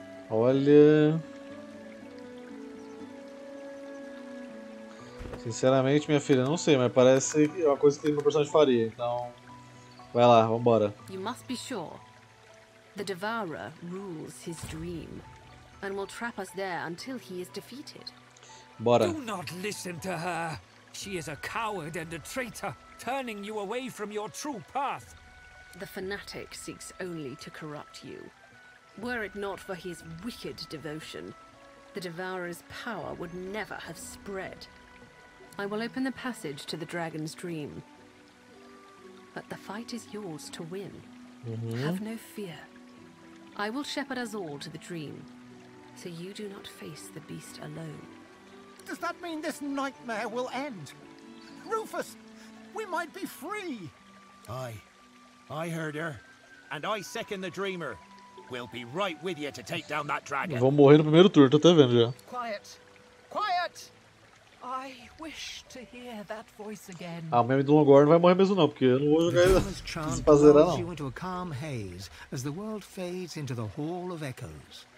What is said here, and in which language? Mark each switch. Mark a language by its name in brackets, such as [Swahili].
[Portuguese] Olha, sinceramente, minha filha, não sei, mas parece que é uma coisa que meu personagem faria. Então, vai lá, vambora. [English] You must be sure. The devourer rules his dream and will trap us there until he is defeated. [Portuguese] Bora. [English] Do not listen to her. She is a coward and a traitor, turning you away from your true path. The fanatic seeks only to corrupt you. Were it not for his wicked devotion, the devourer's power would never have spread. I will open the passage to the dragon's dream. But the fight is yours to win. Mm-hmm. Have no fear. I will shepherd us all to the dream, so you do not face the beast alone. Does that mean this nightmare will end? Rufus, we might be free! I heard her, and I second the dreamer. We'll be right with you to take down that dragon. [Portuguese] Vamos morrer no primeiro turno, tô até vendo já. [English] Quiet! Quiet! I wish to hear that voice again. [Portuguese] Ah, o meme do Longor não vai morrer mesmo não, porque eu não vou jogar ele. Se fazerá não. [English] Into a calm haze as the world fades into the Hall of Echoes.